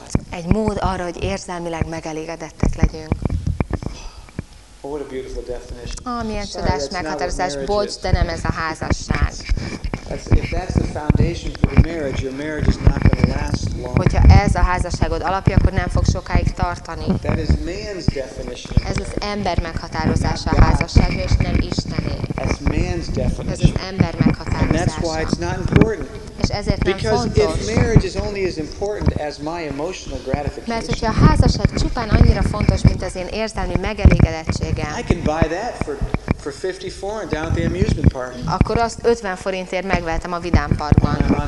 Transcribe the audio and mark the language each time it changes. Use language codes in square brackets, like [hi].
[hu] Egy mód arra, hogy érzelmileg megelégedettek legyünk. [en] Oh, what a beautiful definition. [hu] Ah, milyen csodás meghatározás. Bocs, de nem ez a házasság. [en] If that's the foundation for the marriage, your marriage is not going to last long. [hu] Hogyha ez a házasságod alapja, akkor nem fog sokáig tartani. [en] That is man's definition. [hu] Ez az ember meghatározása a házasság, és nem Istené. [en] That's man's definition. [hu] Ez az ember meghatározása. [en] And that's why it's not important. [hu] És ezért nem [en] Because [hu] fontos. [en] Because if marriage is only as important as my emotional gratification. [hu] Mert hogyha a házasság csupán annyira fontos, mint az én érzelmi megelégedettségem. [en] I can buy that for 50 forint down at the amusement park. [hu] Akkor azt 50 forintért megvettem a Vidám parkban.